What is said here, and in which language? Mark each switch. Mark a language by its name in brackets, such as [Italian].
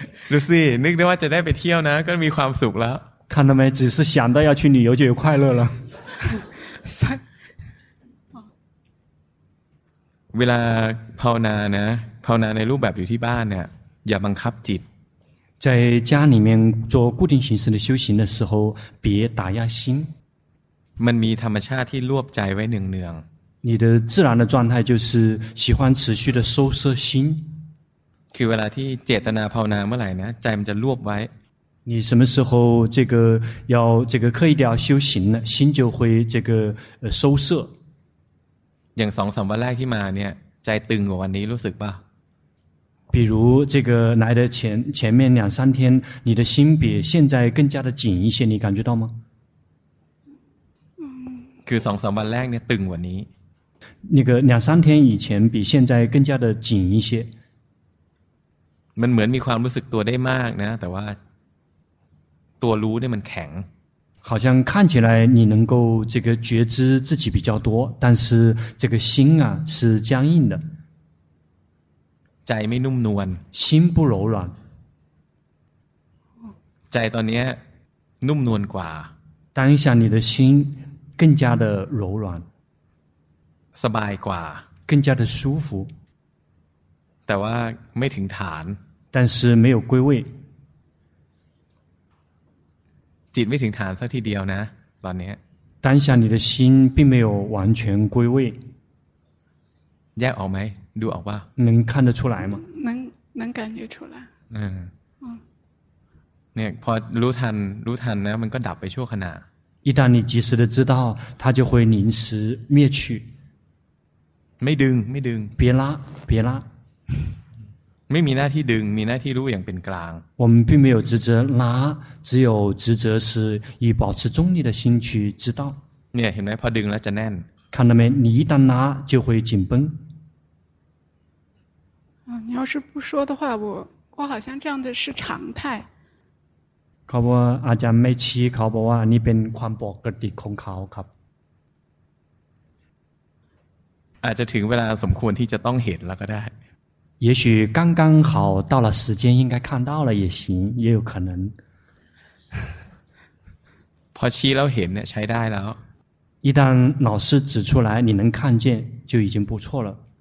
[Thai] ดูสินึกได้ว่าจะได้ไปเที่ยวนะก็มีความสุขแล้ว [Chinese] 看到没只是想到要去旅游就有快乐了 [Thai] เวลาภาวนานะภาวนาในรูปแบบอยู่ที่บ้านเนี่ยอย่าบังคับจิต [Chinese] 在家里面做固定形式的修行的时候别打压心 [Thai] มันมีธรรมชาติที่รวบใจไว้เนือง [Chinese] ๆ你的自然的状态就是喜欢持续的收摄心 [Thai] คือเวลาที่เจตนาภาวนาเมื่อไหร่นะใจมันจะรวบไว้ [Chinese] 你什么时候这个要这个刻意的要修行呢心就会这个收摄 [Thai] อย่าง2 3วันแรกที่มาเนี่ยใจตึงกว่าวันนี้รู้สึกป่ะ [Chinese] 比如这个来的前面两三天你的心比现在更加的紧一些你感觉到吗 [Thai] คือ2 3วันแรกเนี่ยตึงกว่านี้ [Chinese] 那个两三天以前比现在更加的紧一些 [Thai] มันเหมือนมีความรู้สึกตัวได้มากนะแต่ว่าตัวรู้เนี่ยมันแข็ง [Chinese] 好像看起来你能够这个觉知自己比较多但是这个心啊是僵硬的 [Thai] ใจไม่นุ่มนวล [Chinese] 心不柔软 [Thai] ใจตอนนี้นุ่มนวลกว่า [Chinese] 当下你的心更加的柔软 [Thai] สบายกว่า [Chinese] 更加的舒服 [Thai] แต่ว่าไม่ถึงฐาน [Chinese] 但是没有归位。 [Thai] จิตไม่ถึงฐานสักทีเดียวนะตอนนี้ [Chinese] 当下你的心并没有完全归位。 [Thai] แยกออกไหมดูออกป่ะ [Chinese] 能看得出来吗能感觉出来 [Thai] เนี่ยพอรู้ทันนะมันก็ดับไปชั่วขณะ [Chinese] 一旦你及时的知道它就会临时灭去 [Thai] ไม่ดึง [Chinese] 别拉 [Thai] ไม่มีหน้าที่ดึงมีหน้าที่รู้อย่างเป็นกลาง [Chinese] 我们并没有职责拉只有职责是以保持中立的心去知道 [Thai] เนี่ยเห็นไหมพอดึงแล้วจะแน่น [Chinese] 看到没你一旦拉就会紧绷你要是不说的话我好像这样的是常态 [Thai] เขาบอกว่าอาจารย์ไม่ชี้เขาบอกว่าอันนี้เป็นความปกติของเขาครับ อาจจะถึงเวลาสมควรที่จะต้องเห็นแล้วก็ได้ [Chinese] 也许刚刚好到了时间应该看到了也行也有可能 [Thai] พอชี้แล้วเห็นเนี่ยใช้ได้แล้ว [Chinese] 一旦老师指出来你能看见就已经不错了